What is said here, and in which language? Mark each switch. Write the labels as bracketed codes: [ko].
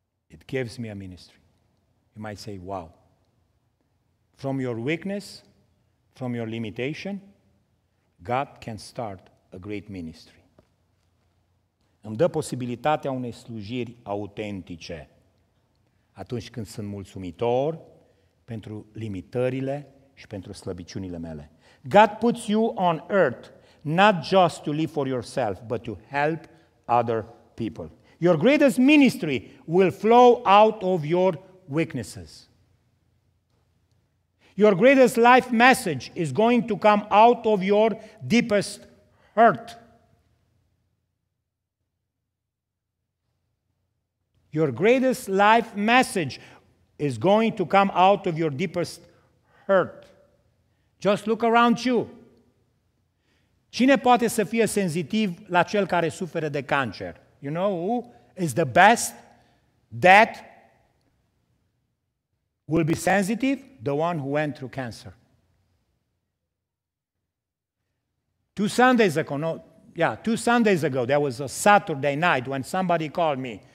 [en] It gives me a ministry. You might say, wow. From your weakness, from your limitation, God can start a great ministry. [ro] Îmi dă posibilitatea unei slujiri autentice atunci când sunt mulțumitor pentru limitările și pentru slăbiciunile mele. [en] God puts you on earth not just to live for yourself, but to help other people. Your greatest ministry will flow out of your weaknesses. Your greatest life message is going to come out of your deepest hurt. Your greatest life message is going to come out of your deepest hurt. Just look around you. [ro] Cine poate să fie sensitiv la cel care suferă de cancer? [en] You know who is the best that will be sensitive? The one who went through cancer. Two Sundays ago, there was a Saturday night when somebody called me.